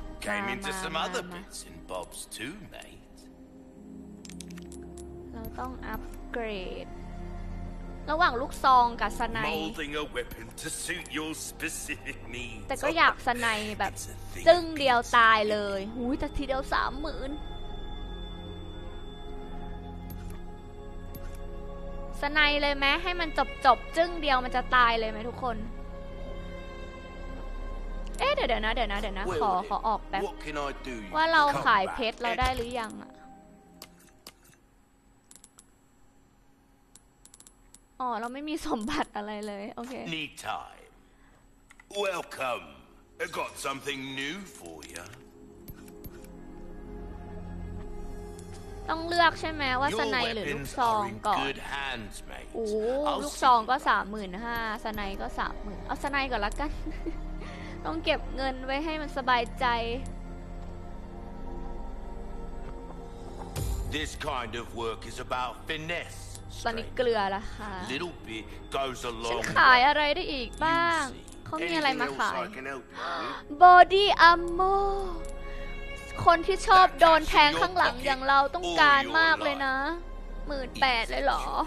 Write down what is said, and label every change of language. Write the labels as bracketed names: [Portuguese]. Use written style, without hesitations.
[English] Came into some other bits in Bob's too, mate. [Thai] เราต้องอัปเกรดระหว่างลูกซองกับสไนป์ [English] Molding a weapon to suit your specific needs. [Thai] แต่ก็อยากสไนป์แบบซึ่งเดียวตายเลยหูยแต่ทีเดียว 30,000 สไนป์เลยไหมให้มันจบจึ้งเดียวมันจะตายเลยไหมทุกคนเอ๊ะเดี๋ยวนะขอออกแป๊บว่าเราขายเพชรเราได้หรือยังอ่ะอ๋อเราไม่มีสมบัติอะไรเลยโอเค [English] Need time. Welcome. I got something new for you. [Thai] ต้องเลือกใช่ไหมว่าสไนหรือลูกซองก่อนโอ้ลูกซองก็ 35,000 สไนก็ 30,000 เอาสไนก่อนละกันต้องเก็บเงินไว้ให้มันสบายใจ [English] This kind of work is about finesse [Thai] ตอนนี้เกลือละค่ะ [English] Little bit goes a long [Thai] way ขายอะไรได้อีกบ้างเขามีอะไรมาขาย [English] Body [Thai] Armor คนที่ชอบโดนแทงข้างหลังอย่างเราต้องการมากเลยนะ 18,000 เลยหรอ